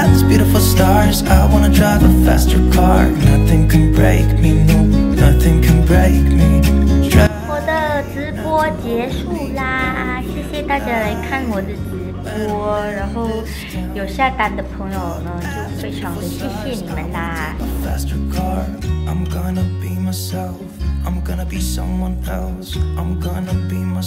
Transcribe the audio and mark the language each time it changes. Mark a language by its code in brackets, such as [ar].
[en] Beautiful stars, I wanna drive a faster car. Nothing can break me, no, nothing can break me. [zh] 我的直播结束啦，谢谢大家来看我的直播，然后有下单的朋友呢，就非常的谢谢你们啦。 [en] Faster car, I'm gonna be myself. I'm gonna be someone else. I'm gonna be myself.